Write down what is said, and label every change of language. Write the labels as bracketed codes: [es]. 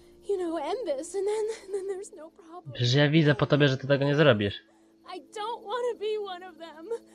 [en] you know, end this, and then there's no problem. [pl] Przecież ja widzę po tobie, że ty tego nie zrobisz. [en] I don't want to be one of them.